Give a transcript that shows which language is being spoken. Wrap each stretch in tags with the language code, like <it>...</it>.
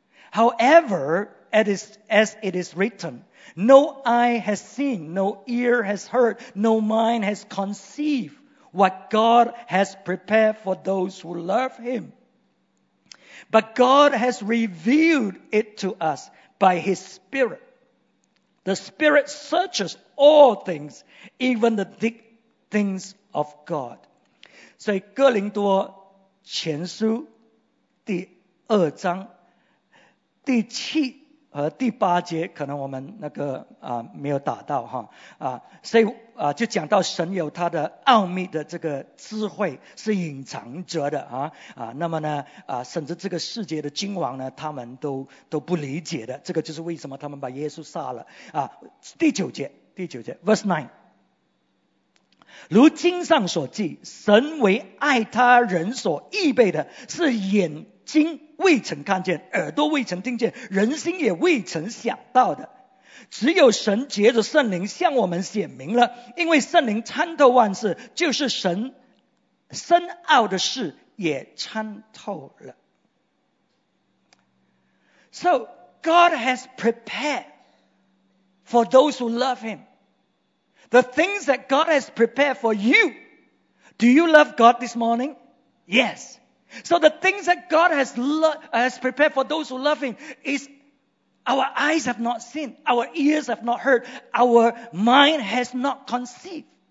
<en>However, as it is written, no eye has seen, no ear has heard, no mind has conceived what God has prepared for those who love Him. But God has revealed it to us by His Spirit. The Spirit searches all things, even the deep things of God.</en> <zh>所以哥林多前书第二章第七和第八节，可能我们那个没有打到哈啊，所以啊就讲到神有他的奥秘的这个智慧是隐藏着的啊，那么呢啊，甚至这个世界的君王呢，他们都不理解的，这个就是为什么他们把耶稣杀了啊。第九节 ，</zh> <en>verse 9。</en> <zh>如经上所记，神为爱他人所预备的，是眼睛未曾看见，耳朵未曾听见，人心也未曾想到的，只有神藉着圣灵向我们显明了，因为圣灵参透万事，就是神深奥的事也参透了。</zh> <en>So God has prepared for those who love Him. The things that God has prepared for you. Do you love God this morning? Yes. So the things that God has prepared for those who love Him is our eyes have not seen, our ears have not heard, our mind has not conceived.</en>